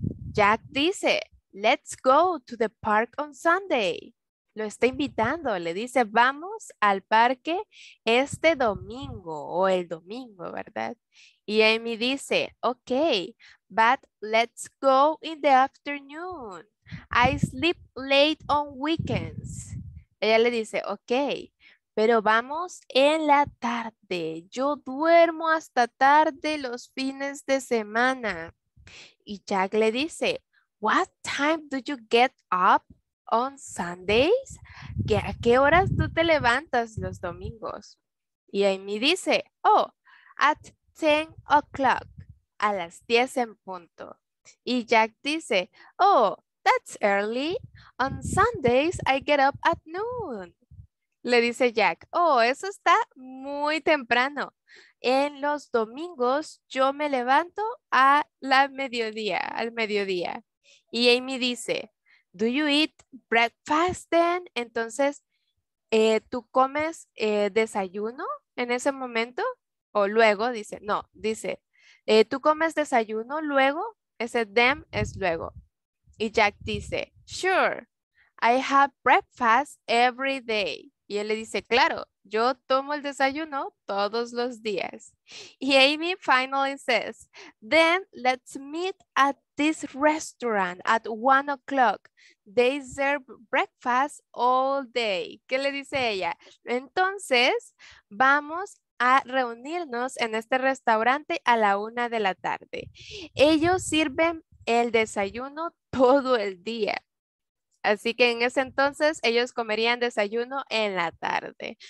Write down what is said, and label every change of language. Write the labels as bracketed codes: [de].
[es] Jack dice, [en] let's go to the park on Sunday. [es] Lo está invitando, le dice, vamos al parque este domingo o el domingo, ¿verdad? Y Amy dice, [en] ok, but let's go in the afternoon. I sleep late on weekends. [es] Ella le dice, ok, pero vamos en la tarde. Yo duermo hasta tarde los fines de semana. Y Jack le dice, [en] what time do you get up on Sundays? [es] ¿A qué horas tú te levantas los domingos? Y Amy dice, [en] oh, at 10 o'clock, [es] a las 10 en punto. Y Jack dice, [en] oh, that's early. On Sundays I get up at noon. [es] Le dice Jack, oh, eso está muy temprano. En los domingos yo me levanto a la mediodía, al mediodía. Y Amy dice, [en] do you eat breakfast then? [es] Entonces, ¿tú comes desayuno en ese momento? O luego, dice, no, dice, ¿tú comes desayuno luego? Ese them es luego. Y Jack dice, [en] sure, I have breakfast every day. [es] Y él le dice, claro, yo tomo el desayuno todos los días. [en] Y Amy finally says, then let's meet at this restaurant at 1 o'clock. They serve breakfast all day. [es] ¿Qué le dice ella? Entonces, vamos a reunirnos en este restaurante a la 1 de la tarde. Ellos sirven el desayuno todo el día. Así que en ese entonces ellos comerían desayuno en la tarde.